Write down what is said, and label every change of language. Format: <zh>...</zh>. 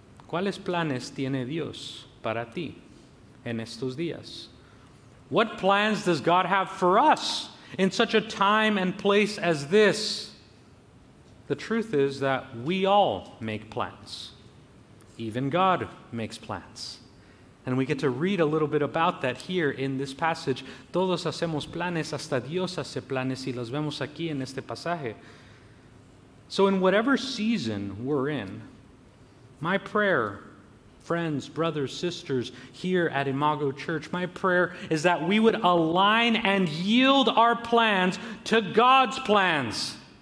<es>¿Cuáles planes tiene Dios para ti en estos días?</es> <en>What plans does God have for us in such a time and place as this? The truth is that we all make plans. Even God makes plans. And we get to read a little bit about that here in this passage.</en> <es>Todos hacemos planes, hasta Dios hace planes, y los vemos aquí en este pasaje.</es> <en>So in whatever season we're in, my prayer, friends, brothers, sisters here at Imago Church, my prayer is that we would align and yield our plans to God's plans.</en>